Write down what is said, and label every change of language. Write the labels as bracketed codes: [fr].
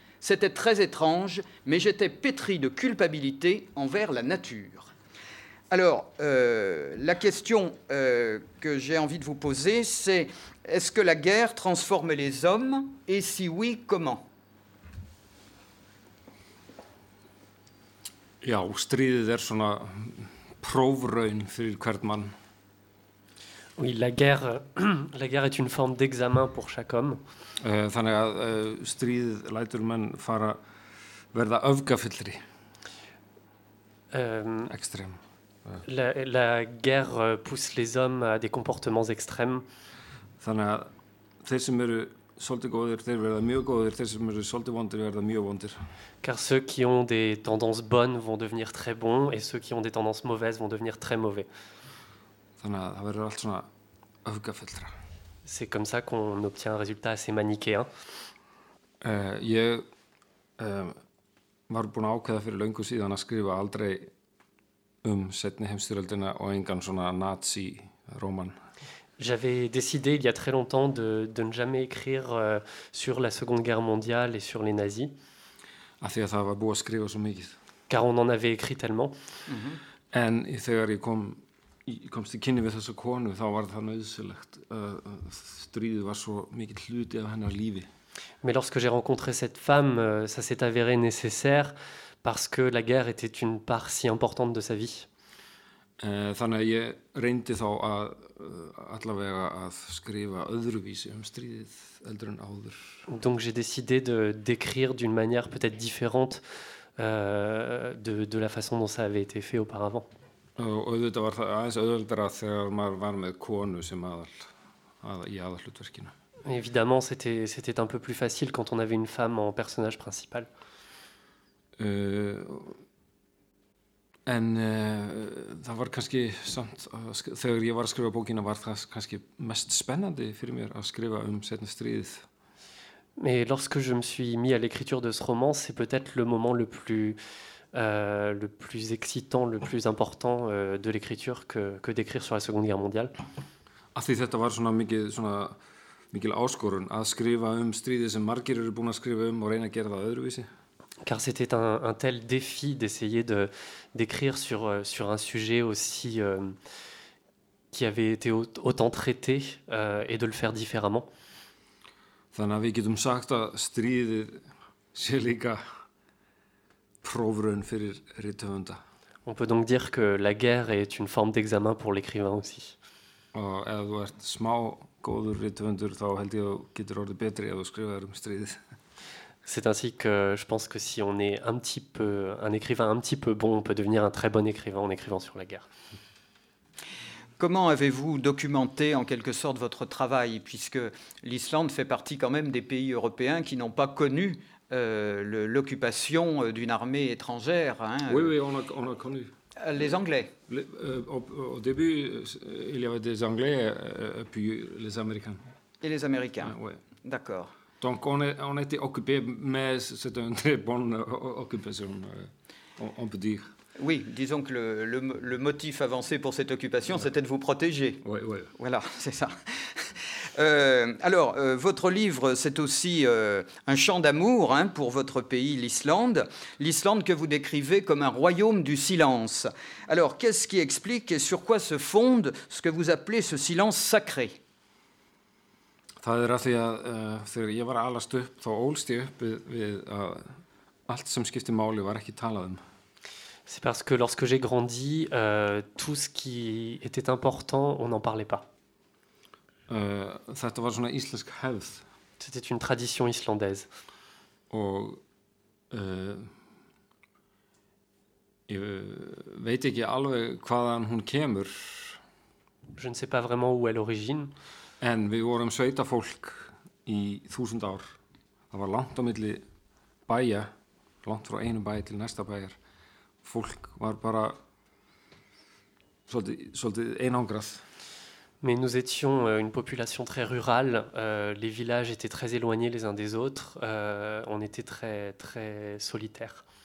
[fr] C'était très étrange, mais j'étais pétri de culpabilité envers la nature. Alors, la question que j'ai envie de vous poser, c'est est-ce que la guerre transforme les hommes, et si oui, comment ? [is] Já, stríðið er svona prófraun fyrir hvern mann. [fr] Oui, la guerre est une forme d'examen pour chaque homme. [is] Þannig að stríð lætur menn fara verða öfgafyllri. [fr] Extrême. La guerre pousse les hommes à des comportements extrêmes. [is] Þannig að þeir sem eru svolítið góðir, þeir verða mjög góðir, þeir sem eru svolítið vondir, verða mjög vondir. [fr] Car ceux qui ont des tendances bonnes vont devenir très bons et ceux qui ont des tendances mauvaises vont devenir très mauvais. [is] Þannig að það verður allt svona öfgafyllra. [fr] C'est comme ça qu'on obtient un résultat assez manichéen. [is] Var búin að ákveða fyrir löngu síðan að skrifa aldrei seinni heimsstyrjöldina og engan svona nazi roman. [fr] J'avais décidé il y a très longtemps de ne jamais écrire sur la Seconde Guerre mondiale et sur les nazis. [is] Af því að það var búið að skrifa svo mikið. [fr] Car on en avait écrit tellement. Mm-hmm. [is] En þegar ég komst í kynni við þessa konu, þá var það nauðsynlegt. Stríðið var svo mikill hluti af hennar lífi. [fr] Mais lorsque j'ai rencontré cette femme, ça s'est avéré nécessaire parce que la guerre était une part si importante de sa vie. [is] Þannig að ég reyndi þá að allavega að skrifa öðruvísi stríðið eldur en áður. [fr] Donc j'ai décidé de d'écrire d'une manière peut-être différente de la façon dont ça avait été fait auparavant. [is] Og auðvitað var það aðeins auðveldara þegar maður var með konu sem aðal í aðalhlutverkinu. [fr] Évidemment, c'était un peu plus facile quand on avait une femme en personnage principal. [is] Það var kannski samt þegar ég var að skrifa bókina var það kannski mest spennandi fyrir mér að skrifa seinna stríðið. [fr] Mais lorsque je me suis mis à l'écriture de ce roman, c'est peut-être le moment le plus excitant, le plus important de l'écriture que d'écrire sur la Seconde Guerre mondiale. [is] Af því þetta var svona mikil áskorun að skrifa stríði sem margir eru búin að skrifa og reyna að gera það öðruvísi. [fr] Car c'était un tel défi d'essayer de d'écrire sur un sujet aussi qui avait été autant traité et de le faire différemment. [is] Þannig að við getum sagt að stríðið sé líka prófraun fyrir rithöfunda. [fr] On peut donc dire que la guerre est une forme d'examen pour l'écrivain aussi. [is] Og ef þú ert smá góður rithöfundur þá held ég að getur orðið betri ef þú skrifaðir stríðið. [fr] C'est ainsi que je pense que si on est un petit peu un écrivain un petit peu bon, on peut devenir un très bon écrivain en écrivant sur la guerre. Comment avez-vous documenté en quelque sorte votre travail puisque l'Islande fait partie quand même des pays européens qui n'ont pas connu l'occupation d'une armée étrangère hein, Oui, on a connu. Les Anglais. Au début, il y avait des Anglais puis les Américains. Et les Américains. Ouais. D'accord. Donc on était occupé, mais c'est une très bonne occupation, on peut dire. Oui, disons que le motif avancé pour cette occupation, c'était de vous protéger. Oui, oui. Voilà, c'est ça. Alors, votre livre, c'est aussi un chant d'amour hein, pour votre pays, l'Islande. L'Islande que vous décrivez comme un royaume du silence. Alors, qu'est-ce qui explique et sur quoi se fonde ce que vous appelez ce silence sacré ? [is] Það af því að þegar ég var alast upp, þá ólst ég upp við að allt sem skipti máli var ekki talað [fr] C'est parce que lorsque j'ai grandi, tout ce qui était important, on n'en parlait pas. [is] Þetta var svona íslensk hefð. [fr] C'était une tradition islandaise. [is] Og ég veit ekki alveg hvaðan hún kemur. [fr] Je ne sais pas vraiment où est l'origine. [is] En við vorum sveitafólk í 1000 ár. Það var langt á milli bæja, langt frá einu bæja til næsta bæjar. Fólk var bara svolítið einangrað. [fr] Mais nous étions une population très rurale. Les villages étaient très éloignés les uns des autres. On était très, très solitaires.